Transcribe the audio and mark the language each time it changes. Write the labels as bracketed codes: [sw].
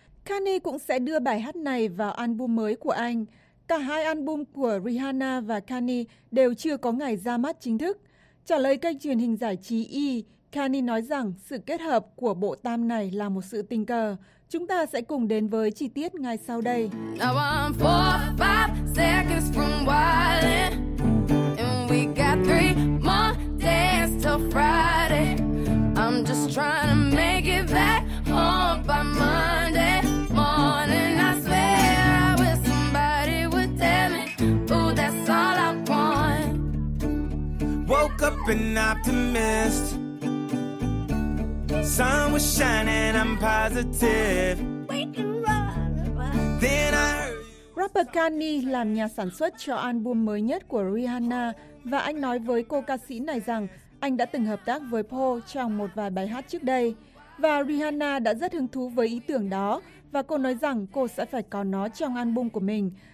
[vi] Kanye cũng sẽ đưa bài hát này vào album mới của anh. Cả hai album của Rihanna và Kanye đều chưa có ngày ra mắt chính thức. Trả lời kênh truyền hình giải trí E, Kanye nói rằng sự kết hợp của bộ tam này là một sự tình cờ. Chúng ta sẽ cùng đến với chi tiết ngay sau đây. [en] Now I'm 4-5 seconds from wildin', and we got 3 more days till Friday. I'm just trying to make it back home by Monday. An optimist, sun was shining, I'm positive. Then I heard [vi] rapper Kanye làm nhà sản xuất cho album mới nhất của Rihanna và anh nói với cô ca sĩ này rằng anh đã từng hợp tác với Paul trong một vài bài hát trước đây và Rihanna đã rất hứng thú với ý tưởng đó và cô nói rằng cô sẽ phải có nó trong album của mình.